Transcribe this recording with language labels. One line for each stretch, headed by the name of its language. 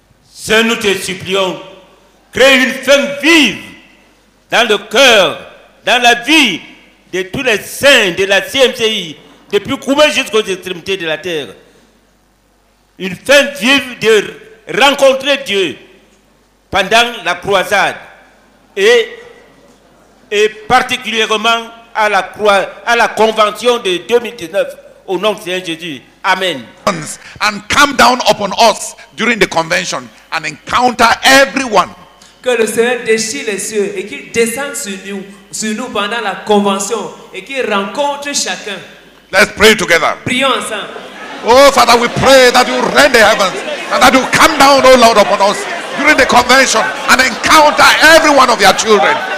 French: Seigneur, nous te supplions, crée une faim vive dans le cœur, dans la vie de tous les saints de la CMCI, depuis Koumé jusqu'aux extrémités de la terre. Une faim vive de rencontrer Dieu pendant la croisade et particulièrement à la convention de 2019 au nom de Saint Jésus. Amen.
English: And come down upon us during the convention and encounter everyone.
French: Que le Seigneur déchire les cieux et qu'il descende sur nous pendant la convention et qu'il rencontre chacun.
English: Let's pray together.
French: Prions ensemble.
English: Oh Father, we pray that you rend the heavens and that you come down, oh Lord, upon us during the convention and encounter every one of your children.